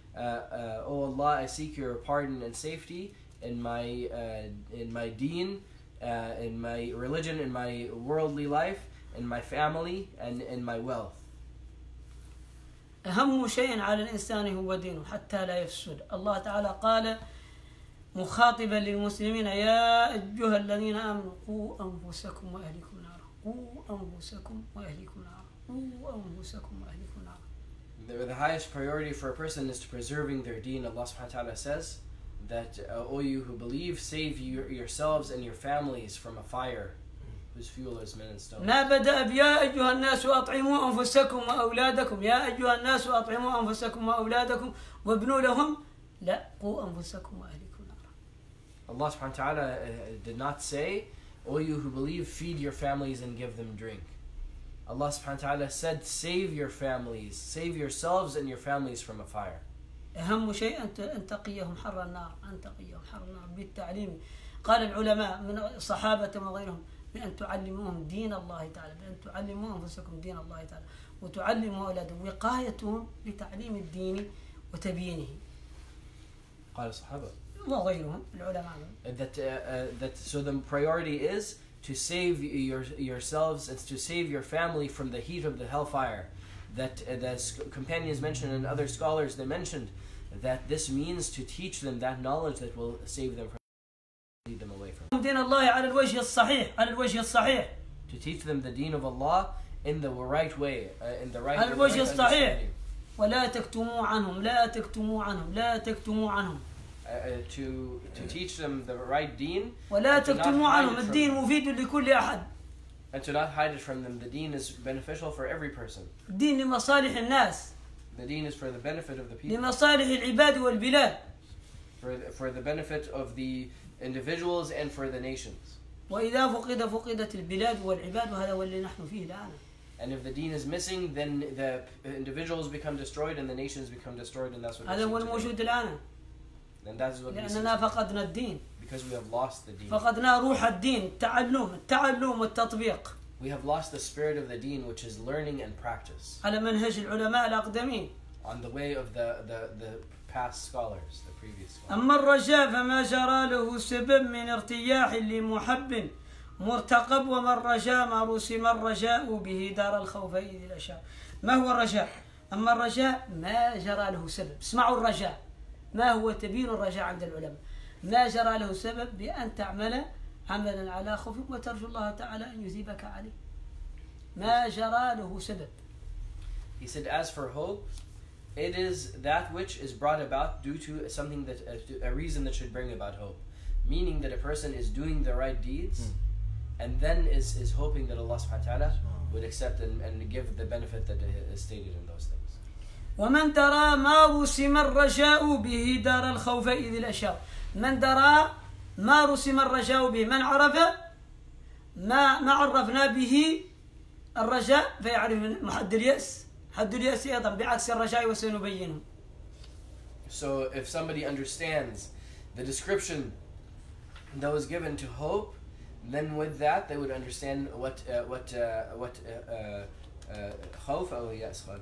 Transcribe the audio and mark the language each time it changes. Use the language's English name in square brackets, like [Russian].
[English] O Allah, I seek your pardon and safety in my deen, in my religion, in my worldly life, in my family, and in my wealth. [Arabic] أهم شيء على الإنسان هو دينه حتى لا يفسد. الله تعالى قال مخاطبا للمسلمين يا أيها الذين آمنوا قوا أنفسكم وأهلكم نارا قوا أنفسكم وأهلكم نارا قوا أنفسكم وأهلكم نارا. [English] The highest priority for a person is to preserving their deen. Allah subhanahu wa ta'ala says that, O you who believe, save yourselves and your families from a fire whose fuel is men and stones. [Arabic] ما بدأ بيا أيها الناس أطعموا أنفسكم وأولادكم يا أيها الناس أطعموا أنفسكم وأولادكم وابنوا لهم لا قو أنفسكم وأهلكم نارا. [English] Allah subhanahu wa ta'ala did not say, O you who believe, feed your families and give them drink. Allah subhanahu wa ta'ala said, save your families, save yourselves and your families from a fire. [Arabic] أهم شيء أن تقيهم حر النار أن تقيهم حر النار بالتعليم. قال العلماء من صحابة وغيرهم بأن تعلموهم دين الله تعالى بأن تعلموا أنفسكم دين الله تعالى وتعلموا أولادهم وقايتهم بتعليم الدين وتبيينه. قال الصحابة وغيرهم العلماء [English] so the priority is to save yourselves and to save your family from the heat of the hellfire. That the companions mentioned and other scholars, they mentioned that this means to teach them that knowledge that will save them from, lead them away from. To teach them the deen of Allah in the right way, in the right way. [Arabic] ولا تكتموا عنهم لا تكتموا عنهم لا تكتموا عنهم. [English] To teach them the right deen. [Arabic] ولا تكتموا عنهم الدين مفيد لكل أحد. [English] And to not hide it from them, the deen is beneficial for every person. [Arabic] الدين لمصالح الناس. [English] The deen is for the benefit of the people. [Arabic] لمصالح العباد والبلاد. [English] For the benefit of the individuals and for the nations. [Arabic] وإذا فقد فقدت البلاد والعباد وهذا واللي نحن فيه الآن. [English] And if the deen is missing, then the individuals become destroyed and the nations become destroyed, and that's what [Arabic] هذا هو الموجود الآن. [English] Then that is what we [Arabic] لأننا فقدنا الدين. [English] Because we have lost the deen. [Arabic] فقدنا روح الدين التعلم والتطبيق. [English] We have lost the spirit of the deen, which is learning and practice. [Arabic] على منهج العلماء الأقدمين. [English] On the way of the past scholars, the previous scholars. [Arabic] أما الرجاء فما جرى له سبب من ارتياح لمحب مرتقب وما الرجاء ما رسم الرجاء به دار الخوف إذ الأشاء. ما هو الرجاء؟ أما الرجاء ما جرى له سبب. اسمعوا الرجاء ما هو تبين الرجاء عند العلماء. ما جرى له سبب بأن تعمل عملا على خوف وترجو الله تعالى أن يثيبك عليه. ما جرى له سبب. [English] He said, as for hope, it is that which is brought about due to something that a reason that should bring about hope, meaning that a person is doing the right deeds and then is hoping that Allah subhanahu wa ta'ala would accept and give the benefit that is stated in those things. [Arabic] ومن ترى ما رسم الرجاء به دار الخوف إذ الأشياء. من ترى ما رسم الرجاء به. من عرف ما عرفنا به الرجاء فيعرف حد اليأس. حد اليأس أيضا بعكس الرجاء وسنبينه. [English] So if somebody understands the description that was given to hope, then with that they would understand what khawf or yes khawf.